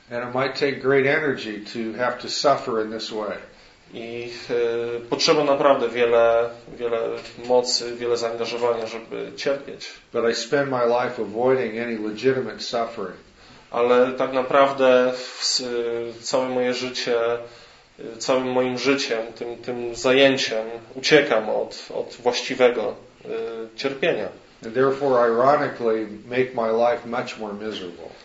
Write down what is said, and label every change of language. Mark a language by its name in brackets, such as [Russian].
[English] And it might take great energy to have to suffer in this way. [Polish] I potrzeba naprawdę wiele mocy, wiele zaangażowania, żeby cierpieć. [English] But I spend my life avoiding any legitimate suffering. [Polish] Ale tak naprawdę całe moje życie, całym moim życiem, tym zajęciem uciekam od właściwego cierpienia. [English] And therefore ironically make my life much more miserable.